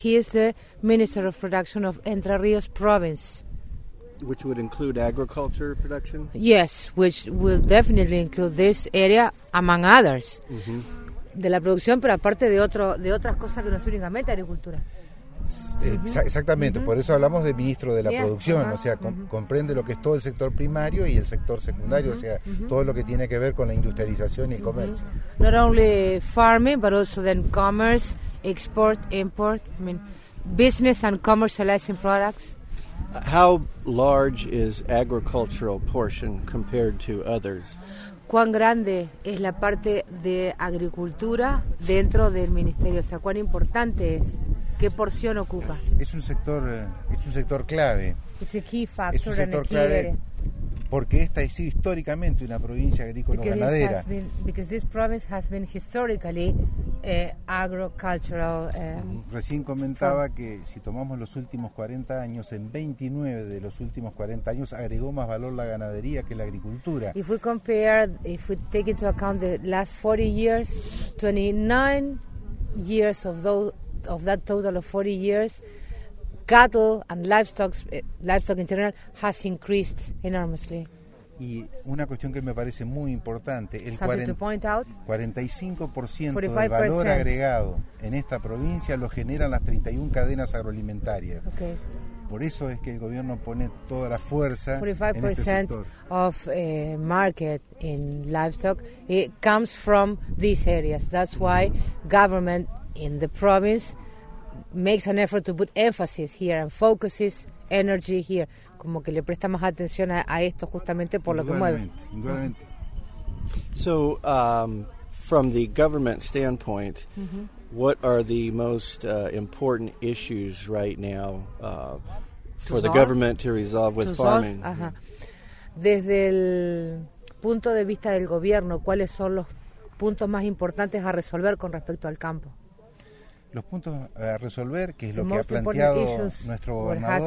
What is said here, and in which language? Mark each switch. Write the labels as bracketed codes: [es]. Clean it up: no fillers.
[en] He is the Minister of Production of Entre Ríos Province. Which would include agriculture production? Yes, which will definitely include this area, among others. Mm-hmm. [es] De la producción, pero aparte de otras cosas que no son únicamente agricultura. Exactamente, uh-huh. Por eso hablamos de ministro de la producción, uh-huh. O sea, comprende lo que es todo el sector primario y el sector secundario, uh-huh. O sea, uh-huh. Todo lo que tiene que ver con la industrialización y el comercio. [en] Not only farming, but also then commerce, export, import, I mean, business and commercializing products. How large is agricultural portion compared to others? [es] ¿Cuán grande es la parte de agricultura dentro del ministerio? O sea, ¿cuán importante es? ¿Qué porción ocupa? Es un sector clave. [en] It's a key factor. [es] Es un sector clave porque esta es históricamente una provincia agrícola-ganadera. [en] Because this province has been historically agricultural. [es] Recién comentaba que si tomamos los últimos 40 años, en 29 de los últimos 40 años agregó más valor la ganadería que la agricultura. [en] If we take into account the last 40 years, 29 years of those. Of that total of 40 years, cattle and livestock in general has increased enormously. [es] Y una cuestión que me parece muy importante, el 45% del valor agregado en esta provincia lo generan las 31 cadenas agroalimentarias. [en] Okay. [es] Por eso es que el gobierno pone toda la fuerza en este sector. [en] 45% of market in livestock it comes from these areas. That's why government in the province makes an effort to put emphasis here and focuses energy here, [es] como que le presta más atención a esto justamente por lo que mueve. Indudablemente. [en] So from the government standpoint, mm-hmm. What are the most important issues right now for the government to resolve with farming? [es] Desde el punto de vista del gobierno, ¿cuáles son los puntos más importantes a resolver con respecto al campo? Los puntos a resolver, que es lo que ha planteado nuestro gobernador,